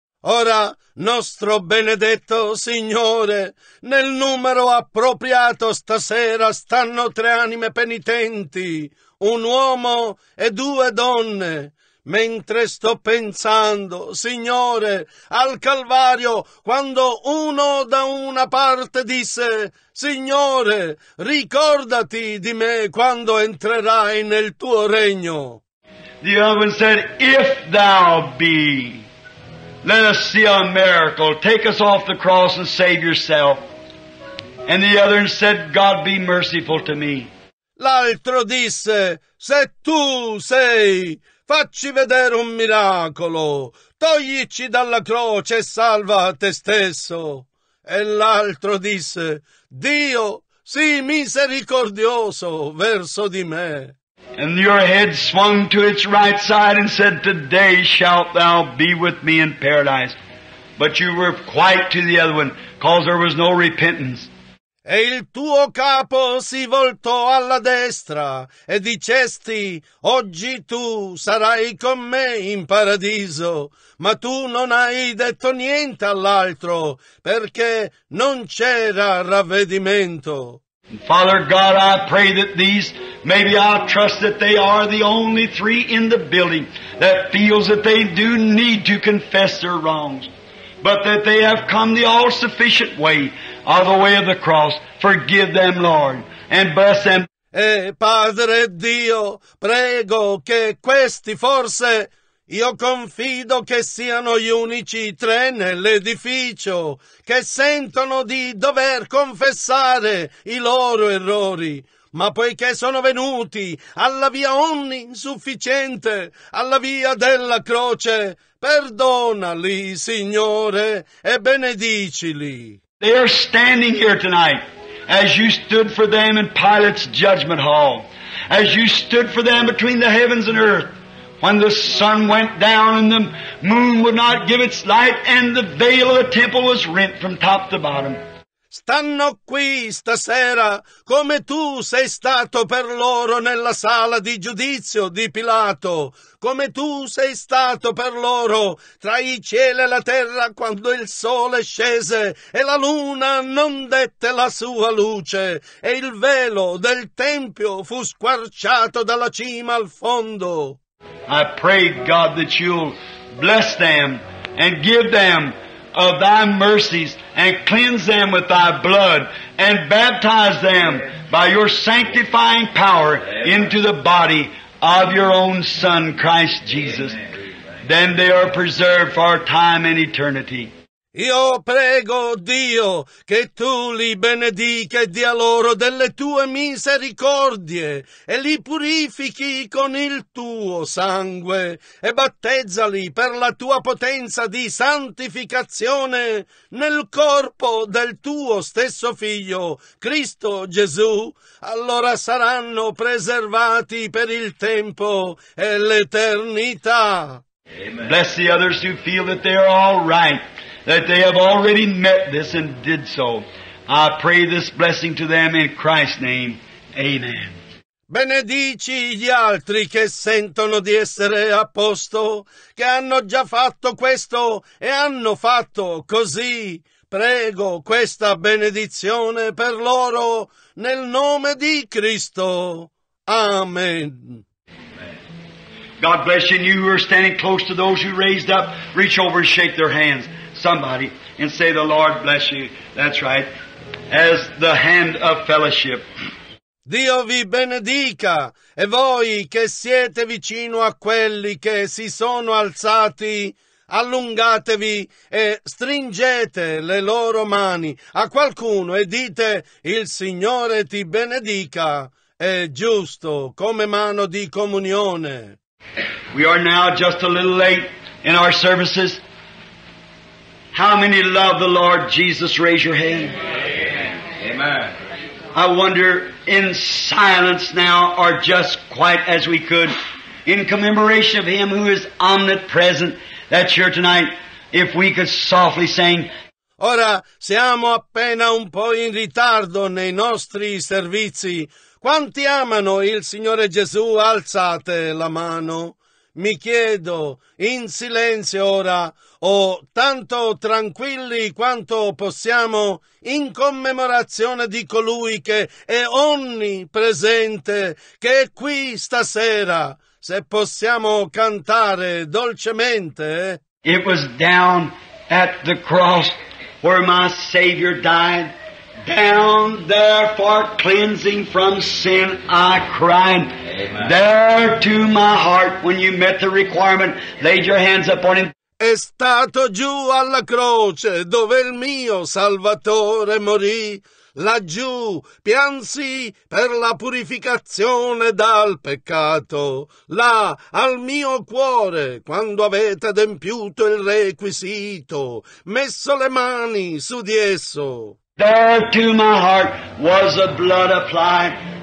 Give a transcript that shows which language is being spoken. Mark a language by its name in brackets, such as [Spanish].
[Italian] Ora, nostro benedetto Signore, nel numero appropriato stasera stanno tre anime penitenti, un uomo e due donne. Mentre sto pensando, Signore, al Calvario, quando uno da una parte disse, Signore, ricordati di me quando entrerai nel tuo regno. [English] The other one said, if thou be, let us see a miracle, take us off the cross and save yourself. And the other said, God be merciful to me. [Italian] L'altro disse, se tu sei, facci vedere un miracolo, toglici dalla croce e salva te stesso. E l'altro disse, Dio, sii misericordioso verso di me. [English] And your head swung to its right side and said, today shalt thou be with me in paradise. But you were quiet to the other one, because there was no repentance. [Italian] E il tuo capo si voltò alla destra e dicesti, oggi tu sarai con me in paradiso, ma tu non hai detto niente all'altro, perché non c'era ravvedimento. [English] Father God, I pray that these, maybe I trust that they are the only three in the building that feels that they do need to confess their wrongs, but that they have come the all-sufficient way of the way of the cross. Forgive them, Lord, and bless them. [Italian] E Padre Dio, prego che questi forse, io confido che siano gli unici tre nell'edificio che sentono di dover confessare i loro errori. Ma poiché sono venuti alla via ogni insufficiente, alla via della croce, perdonali, Signore, e benedicili. [English] They are standing here tonight, as you stood for them in Pilate's judgment hall, as you stood for them between the heavens and earth, when the sun went down and the moon would not give its light, and the veil of the temple was rent from top to bottom. [Italian] Stanno qui stasera come tu sei stato per loro nella sala di giudizio di Pilato, come tu sei stato per loro tra i cieli e la terra quando il sole scese e la luna non dette la sua luce e il velo del tempio fu squarciato dalla cima al fondo. [English] I pray, God, that you'll bless them and give them of thy mercies and cleanse them with thy blood and baptize them by your sanctifying power into the body of your own Son, Christ Jesus, then they are preserved for time and eternity. [Italian] Io prego Dio che tu li benedica e dia loro delle tue misericordie e li purifichi con il tuo sangue e battezzali per la tua potenza di santificazione nel corpo del tuo stesso Figlio, Cristo Gesù. Allora saranno preservati per il tempo e l'eternità. Amen. [English] Bless the others who feel that they are all right, that they have already met this and did so. I pray this blessing to them in Christ's name. Amen. [Italian] Benedici gli altri che sentono di essere a posto, che hanno già fatto questo e hanno fatto così. Prego questa benedizione per loro nel nome di Cristo. Amen. [English] God bless you, and you who are standing close to those who raised up, reach over and shake their hands. Somebody, and say, the Lord bless you. That's right. As the hand of fellowship. [Italian] Dio vi benedica, e voi che siete vicino a quelli che si sono alzati, allungatevi e stringete le loro mani a qualcuno e dite, il Signore ti benedica. È giusto, come mano di comunione. [English] We are now just a little late in our services. How many love the Lord Jesus? Raise your hand. Amen. Amen. I wonder, in silence now, or just quiet as we could, in commemoration of Him who is omnipresent, that's here tonight, if we could softly sing. [Italian] Ora, siamo appena un po' in ritardo nei nostri servizi. Quanti amano il Signore Gesù? Alzate la mano. Mi chiedo, in silenzio ora, o tanto tranquilli quanto possiamo, in commemorazione di colui che è onnipresente, che è qui stasera, se possiamo cantare dolcemente. [English] It was down at the cross where my Savior died. Down there for cleansing from sin I cried. Amen. There to my heart when you met the requirement, laid your hands upon Him. [Italian] È stato giù alla croce dove il mio Salvatore morì. Laggiù piansi per la purificazione dal peccato. Là al mio cuore, quando avete adempiuto il requisito, messo le mani su di esso. [English] There to my heart was the blood applied.